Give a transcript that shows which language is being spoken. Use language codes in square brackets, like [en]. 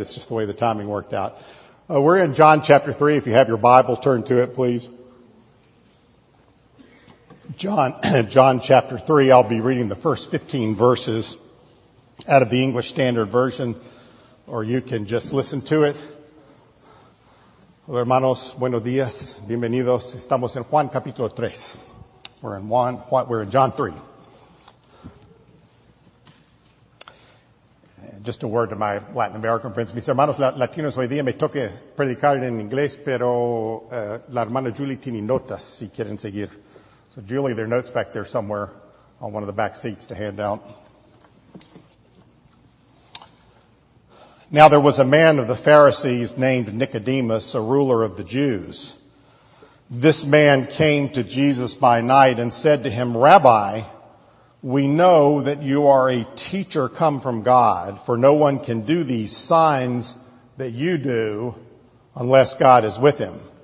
[en] It's just the way the timing worked out. We're in John chapter 3. If you have your Bible, turn to it, please. John chapter 3, I'll be reading the first 15 verses out of the English Standard Version, or you can just listen to it. [es] Hola hermanos, buenos días, bienvenidos. Estamos en Juan capítulo 3. [en] We're in John 3. Just a word to my Latin American friends. [es] Mis hermanos latinos, hoy día me toque predicar en inglés, pero la hermana Julie tiene notas si quieren seguir. [en] So Julie, there are notes back there somewhere on one of the back seats to hand out. Now there was a man of the Pharisees named Nicodemus, a ruler of the Jews. This man came to Jesus by night and said to him, Rabbi, we know that you are a teacher come from God, for no one can do these signs that you do unless God is with him.